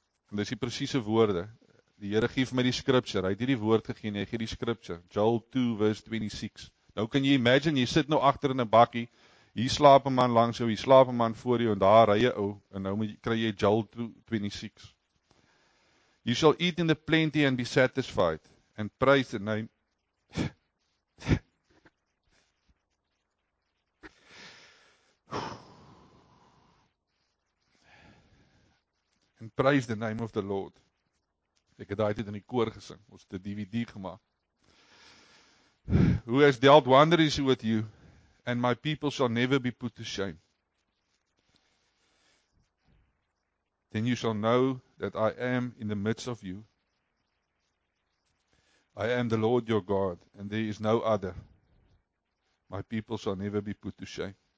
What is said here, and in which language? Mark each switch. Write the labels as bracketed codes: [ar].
[af] En dis die presiese woorde. Die Here gee vir my die scripture, hy het hierdie woord gegee, hy gee die scripture. Joel 2 vers 26. Nou kan jy imagine, jy sit nou agter in 'n bakkie, hier slaap 'n man langs jou, hier slaap 'n man voor jou, en daar ry jy ou, en nou kry jy Joel 2:26. [en] You shall eat in the plenty and be satisfied, and praise the name. And praise the name of the Lord. [af] Ek het daai tyd in die koor gesing, ons het 'n DVD gemaak. [en] Who has dealt wondrous with you, and my people shall never be put to shame. Then you shall know that I am in the midst of you. I am the Lord your God, and there is no other. My people shall never be put to shame.